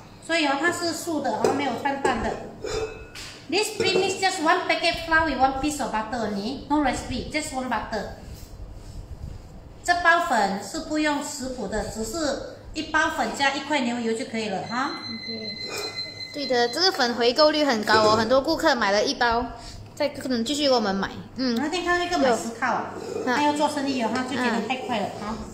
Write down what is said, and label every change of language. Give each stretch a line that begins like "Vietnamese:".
Chinese: 所以哦，它是素的，然后没有拌饭的。
English: This premix just one packet flour with one piece of butter only, no recipe, just one butter.
Chinese: 这包粉是不用食谱的，只是一包粉加一块牛油就可以了哈。对的，这个粉回购率很高哦，很多顾客买了一包，再可能继续我们买。嗯。那天看到一个买10套，他要做生意哦，他就觉得太快了哈。